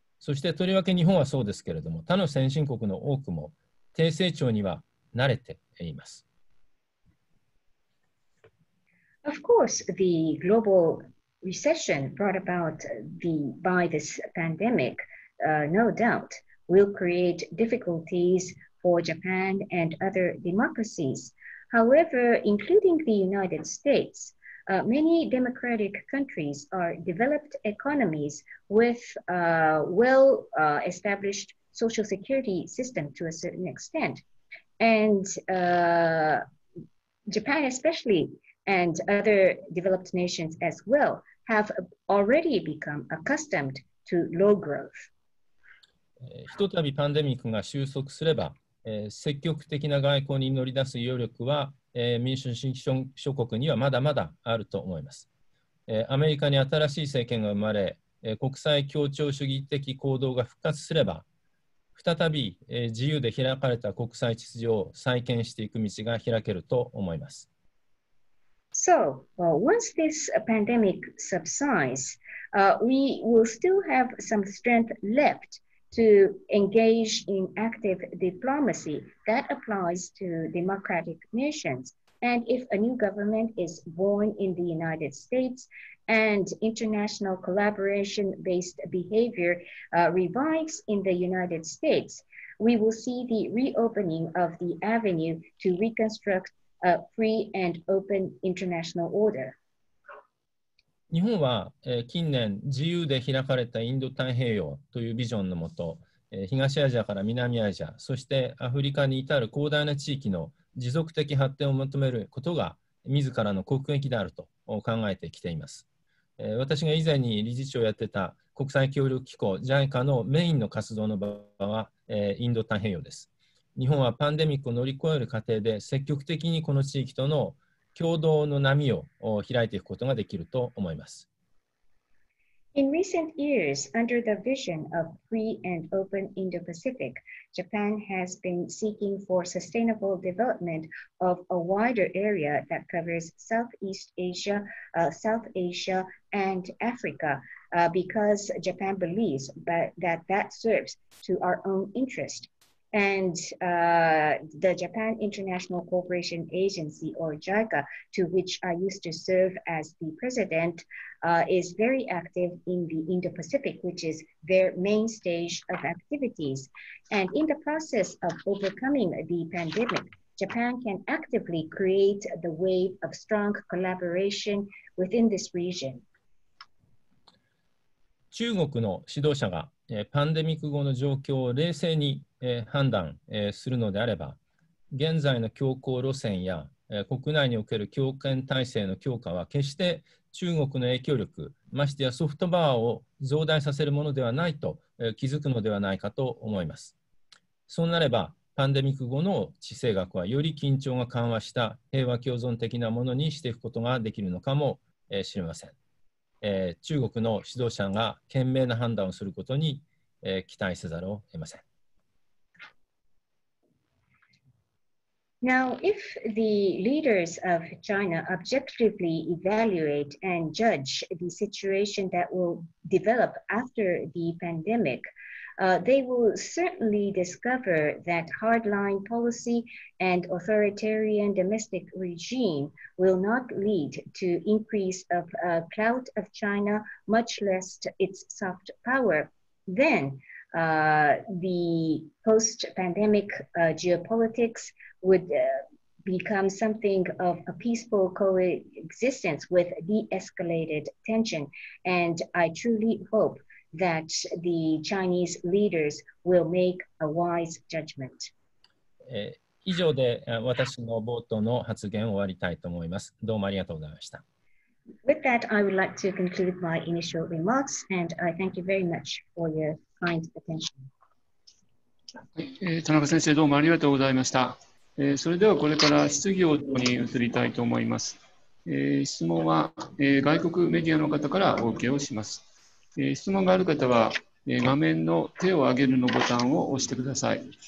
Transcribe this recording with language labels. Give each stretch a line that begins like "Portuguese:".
Japanese: そしてとりわけ日本はそうですけれども、他の先進国の多くも低成長には慣れてています。
English: Of course, the global recession brought about by this pandemic, no doubt, will create difficulties for Japan and other democracies. However, including the United States, many democratic countries are developed economies with well-established social security system to a certain extent. And Japan especially, and other developed nations as well, have already become accustomed to low growth.
Japanese: ひとたびパンデミックが収束すれば、積極的な外交に乗り出す余力は、民主主義諸国にはまだまだあると思います。アメリカに新しい政権が生まれ、国際協調主義的行動が復活すれば、再び、自由で開かれた国際秩序を再建していく道が開けると思います。
English: So, once this pandemic subsides, we will still have some strength left to engage in active diplomacy that applies to democratic nations. And if a new government is born in the United States and international collaboration-based behavior revives in the United States, we will see the reopening of the avenue to reconstruct a free and open international order.
Japanese: 日本は近年自由で開かれたインド太平洋というビジョンのもと、東アジアから南アジア、そしてアフリカに至る広大な地域の持続的発展を求めることが自らの国益であると考えてきています。私が以前に理事長をやってた国際協力機構 JICA のメインの活動の場はインド太平洋です。日本はパンデミックを乗り越える過程で積極的にこの地域との共同の波を開いていくことができると思います。
English: In recent years, under the vision of free and open Indo-Pacific, Japan has been seeking for sustainable development of a wider area that covers Southeast Asia, South Asia, and Africa, because Japan believes that that serves to our own interest. And the Japan International Cooperation Agency, or JICA, to which I used to serve as the president, is very active in the Indo-Pacific, which is their main stage of activities. And in the process of overcoming the pandemic, Japan can actively create the wave of strong collaboration within this region.
Japanese: 中国の指導者がパンデミック後の状況を冷静に判断するのであれば、現在の強硬路線や国内における強権体制の強化は決して中国の影響力、ましてやソフトパワーを増大させるものではないと気づくのではないかと思います。そうなれば、パンデミック後の地政学はより緊張が緩和した平和共存的なものにしていくことができるのかもしれません。中国の指導者が賢明な判断をすることに期待せざるを得ません。
English: Now, if the leaders of China objectively evaluate and judge the situation that will develop after the pandemic, they will certainly discover that hardline policy and authoritarian domestic regime will not lead to increase of clout of China, much less its soft power. Then, the post-pandemic geopolitics would become something of a peaceful coexistence with de-escalated tension. And I truly hope that the Chinese leaders will make a wise judgment.
Japanese: 以上で私の冒頭の発言を終わりたいと思います。どうもありがとうございました。
English: With that, I would like to conclude my initial remarks, and I thank you very much for your kind attention.
Japanese: 田中先生、どうもありがとうございました。それではこれから質疑応答に移りたいと思います。質問は、外国メディアの方からお受けをします。質問がある方は、画面の手を上げるのボタンを押してください。